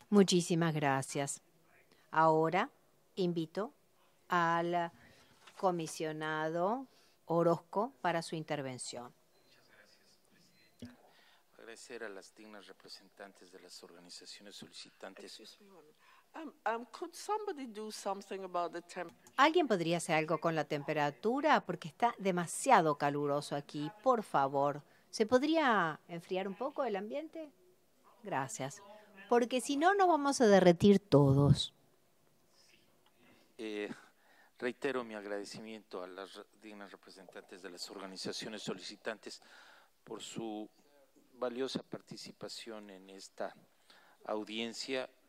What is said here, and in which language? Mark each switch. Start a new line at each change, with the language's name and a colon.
Spanish: Muchísimas gracias. Ahora invito al comisionado Orozco para su intervención. Agradecer a las dignas representantes de las organizaciones solicitantes.
English: Excuse me, Could somebody do something about the temperature?
Spanish: ¿Alguien podría hacer algo con la temperatura? Porque está demasiado caluroso aquí, por favor. ¿Se podría enfriar un poco el ambiente? Gracias. Porque si no, nos vamos a derretir todos. Reitero mi agradecimiento a las dignas representantes de las organizaciones solicitantes por su valiosa participación en esta audiencia,